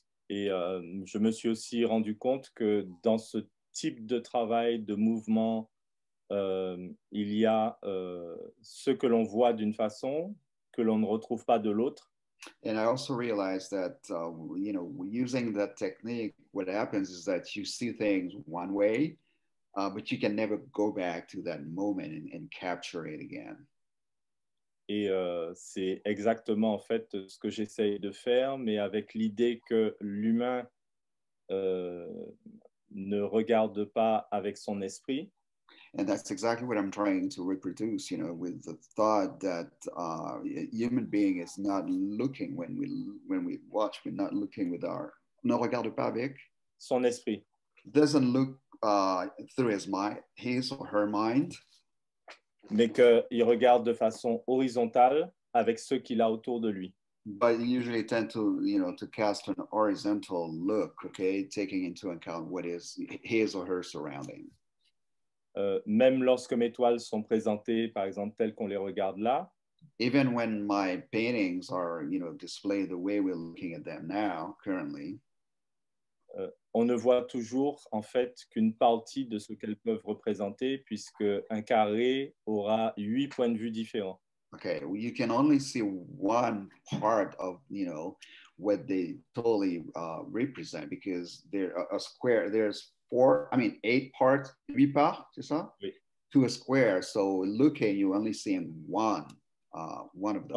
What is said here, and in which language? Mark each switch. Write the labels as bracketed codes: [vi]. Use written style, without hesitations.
[fr] Et je me suis aussi rendu compte que dans ce type de travail, de mouvement, il y a ce que l'on voit d'une façon que l'on ne retrouve pas de l'autre. [en] And I also realized that, you know, using that technique, what happens is that you see things one way, but you can never go back to that moment and capture it again. [fr] Et c'est exactement en fait ce que j'essaye de faire, mais avec l'idée que l'humain ne regarde pas avec son esprit. [en] And that's exactly what I'm trying to reproduce, you know, with the thought that a human being is not looking when we watch, we're not looking with our, [fr] ne regarde pas avec son esprit. [en] Doesn't look through his or her mind. [fr] Mais qu'il regarde de façon horizontale avec ce qu'il a autour de lui. [en] But you usually tend to, you know, to cast an horizontal look, okay, taking into account what is his or her surrounding. [fr] Même lorsque mes toiles sont présentées, par exemple, telles qu'on les regarde là. [en] Even when my paintings are, you know, displayed the way we're looking at them now, currently. [fr] On ne voit toujours, en fait, qu'une partie de ce qu'elles peuvent représenter, puisque un carré aura 8 points de vue différents. [en] Okay, well, you can only see one part of, you know, what they totally represent, because they're a square, there's 8 parts, 8 parts, [fr] c'est ça? Oui. [en] To a square, so looking, you only see one of them.